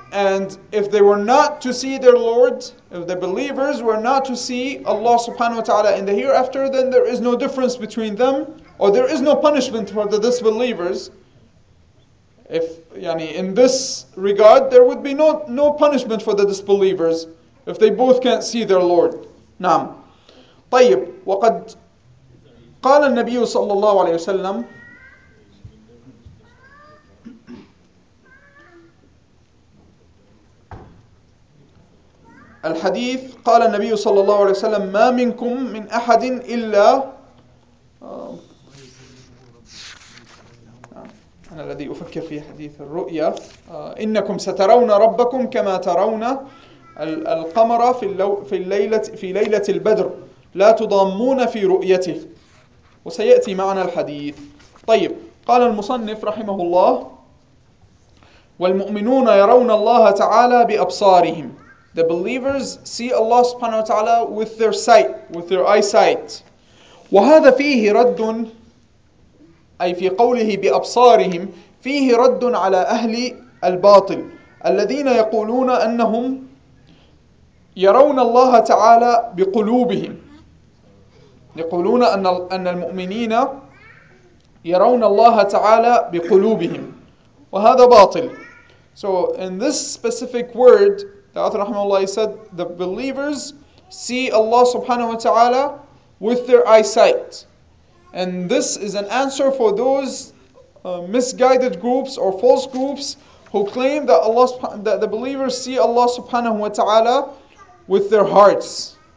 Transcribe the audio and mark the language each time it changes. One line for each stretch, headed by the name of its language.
English: And if they were not to see their Lord, if the believers were not to see Allah subhanahu wa ta'ala in the hereafter, then there is no difference between them, or there is no punishment for the disbelievers. If yani in this regard, there would be no punishment for the disbelievers if they both can't see their Lord.
Arabic: نعم. طيب، وقد قال النبي صلى الله عليه وسلم الحديث، قال النبي صلى الله عليه وسلم ما منكم من أحد إلا أنا الذي أفكر في حديث الرؤية. إنكم سترون ربكم كما ترون القمر في ليلة البدر لا تضامون في رؤيته. وسيأتي معنا الحديث. طيب، قال المصنف رحمه الله والمؤمنون يرون الله تعالى بأبصارهم.
English: The believers see Allah subhanahu wa ta'ala with their sight, with their eyesight.
Arabic: وَهَذَا فِيهِ رَدٌّ أي في قوله بأبصارهم فيه رد على أهل الباطل الذين يقولون أنهم يرون الله تعالى بقلوبهم يقولون أن المؤمنين يرون الله تعالى بقلوبهم وهذا باطل.
English: So in this specific word, the author رحمه الله said the believers see Allah subhanahu wa ta'ala with their eyesight. And this is an answer for those misguided groups or false groups who claim that the believers see Allah subhanahu wa ta'ala with their hearts.